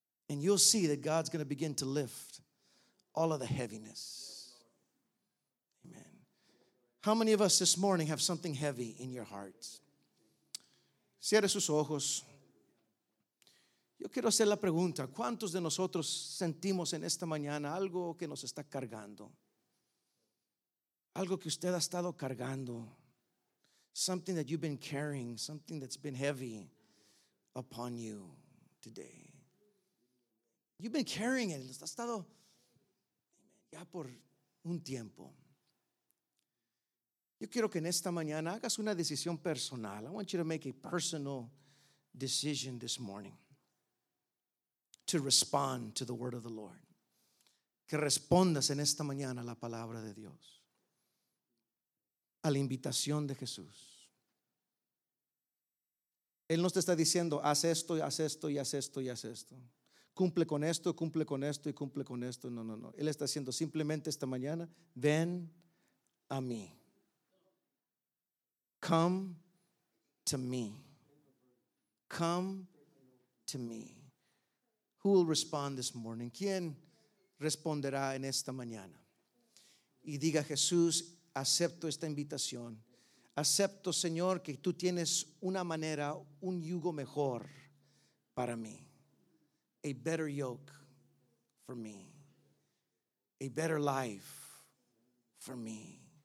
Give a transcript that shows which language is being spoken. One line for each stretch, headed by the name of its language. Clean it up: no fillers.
English: And you'll see that God's going to begin to lift all of the heaviness. How many of us this morning have something heavy in your heart?
Spanish: Cierre sus ojos. Yo quiero hacer la pregunta. ¿Cuántos de nosotros sentimos en esta mañana algo que nos está cargando? Algo que usted ha estado cargando.
English: Something that you've been carrying. Something that's been heavy upon you today. You've been carrying it.
Spanish: Ha estado ya por un tiempo. Yo quiero que en esta mañana hagas una decisión personal.
English: I want you to make a personal decision this morning. to respond to the word of the Lord.
Spanish: Que respondas en esta mañana a la palabra de Dios. A la invitación de Jesús. Él no te está diciendo, haz esto, haz esto, y haz esto, y haz esto. Cumple con esto, cumple con esto, y cumple con esto. No, no, no. Él está diciendo simplemente esta mañana, ven a mí.
English: Come to me. Come to me. Who will respond this morning?
Spanish: ¿Quién responderá en esta mañana? Y diga, Jesús, acepto esta invitación. Acepto, Señor, que tú tienes una manera, un yugo mejor para mí.
English: A better yoke for me. A better life for me.